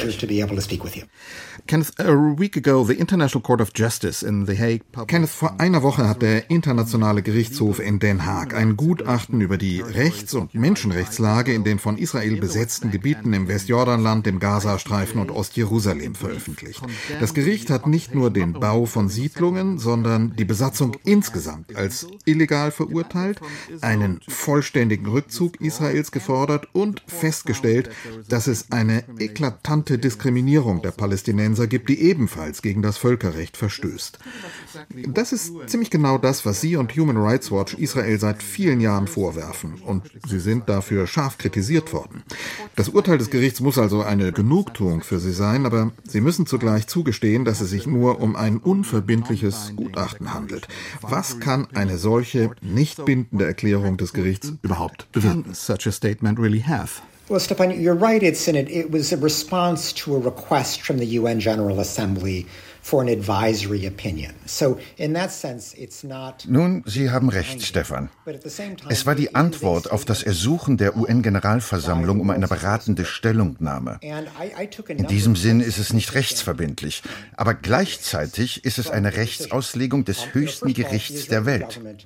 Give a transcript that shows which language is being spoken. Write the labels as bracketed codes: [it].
[en] Pleasure to be able to speak with you. Kenneth, a week ago, the International Court of Justice in The Hague. [de] Kenneth, vor einer Woche hat der Internationale Gerichtshof in Den Haag ein Gutachten über die Rechts- und Menschenrechtslage in den von Israel besetzten Gebieten im Westjordanland, im Gazastreifen und Ostjerusalem veröffentlicht. Das Gericht hat nicht nur den Bau von Siedlungen, sondern die Besatzung insgesamt als illegal verurteilt, einen vollständigen Rückzug Israels gefordert und festgestellt, dass es eine eklatante Diskriminierung der Palästinenser gibt, die ebenfalls gegen das Völkerrecht verstößt. Das ist ziemlich genau das, was Sie und Human Rights Watch Israel seit vielen Jahren vorwerfen. Und Sie sind dafür scharf kritisiert worden. Das Urteil des Gerichts muss also eine Genugtuung für Sie sein, aber Sie müssen zugleich zugestehen, dass es sich nur um ein unverbindliches Gutachten handelt. Was kann eine solche nicht bindende Erklärung des Gerichts überhaupt bewirken? [en] Such a statement really have? Well, Stefan, you're right. It was a response to a request from the UN General Assembly for an advisory opinion. So in that sense, it's not. [de] Nun, Sie haben recht, Stefan. Es war die Antwort auf das Ersuchen der UN-Generalversammlung um eine beratende Stellungnahme. In diesem Sinn ist es nicht rechtsverbindlich, aber gleichzeitig ist es eine Rechtsauslegung des höchsten Gerichts der Welt.